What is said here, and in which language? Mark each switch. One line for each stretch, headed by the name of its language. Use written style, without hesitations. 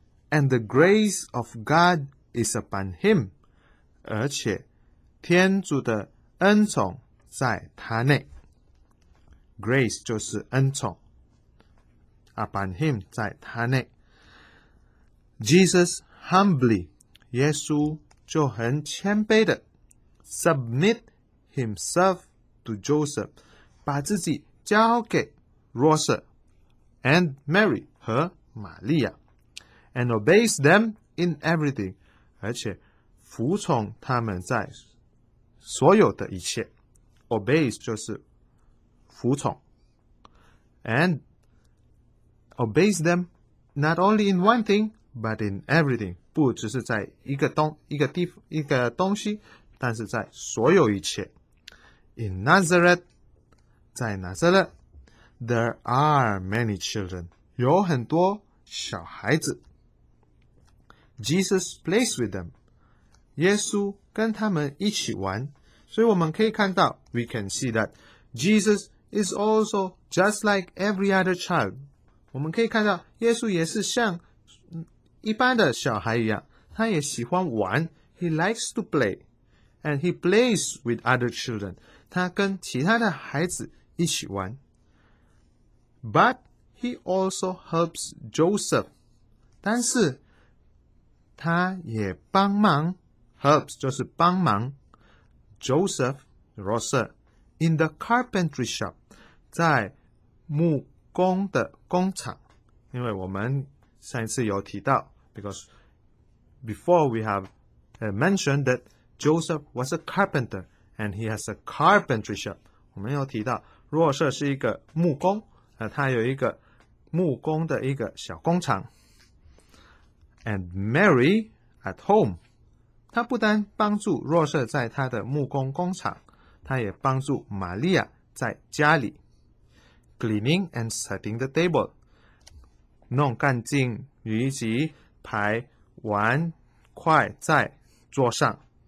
English: And the grace of God is upon him.
Chinese: 而且天主的恩宠在他内。 Grace 就是恩宠。
English: Upon him,
Chinese: 在他内。
English: Jesus humbly,
Chinese: 耶稣就很谦卑的
English: submit himself to Joseph,
Chinese: 把自己交给若瑟
English: and Mary
Chinese: 和玛利亚
English: and obeys them in everything,
Chinese: 而且服从他们在所有的一切。 Obeys 就是服从。
English: And obeys them not only in one thing, but in everything.
Chinese: 不只是在一个东西，但是在所有一切。
English: In Nazareth,
Chinese: 在拿撒勒，
English: there are many children.
Chinese: 有很多小孩子。
English: Jesus plays with them.
Chinese: 耶稣跟他们一起玩。所以我们可以看到，
English: we can see that Jesus is also just like every other child.
Chinese: 我们可以看到耶稣也是像一般的小孩一样，他也喜欢玩。
English: He likes to play and he plays with other children.
Chinese: 他跟其他的孩子一起玩。
English: But he also helps Joseph.
Chinese: 但是他也帮忙，
English: helps
Chinese: 就是帮忙
English: Joseph, 若瑟 in the carpentry shop,
Chinese: 在木工的工厂。因为我们上一次有提到，
English: because before we have mentioned that Joseph was a carpenter and he has a carpentry shop.
Chinese: 我们有提到若瑟是一个木工，他有一个木工的一个小工厂。
English: And Mary at home,
Chinese: 他不单帮助若瑟在他的木工工厂，他也帮助玛利亚在家里
English: cleaning and setting the table，
Chinese: 弄干净以及排碗筷在桌上。